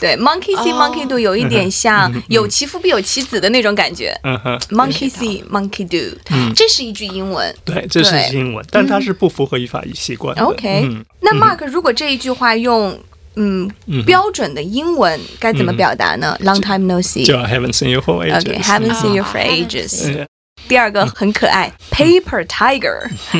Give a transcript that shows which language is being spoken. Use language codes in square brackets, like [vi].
[zh] 对， [en] monkey see monkey do [zh] 有一点像有其父必有其子的那种感觉。 [en] monkey see monkey do， [zh] 这是一句英文，但它是不符合语法习惯的。 [en] OK， [zh] 那 Mark，如果这一句话用标准的英文该怎么表达呢？ [en] Long time no see， [zh] 就 [en] I haven't seen you for ages。 OK， haven't seen you for ages。 [zh] 第二个很可爱， paper tiger，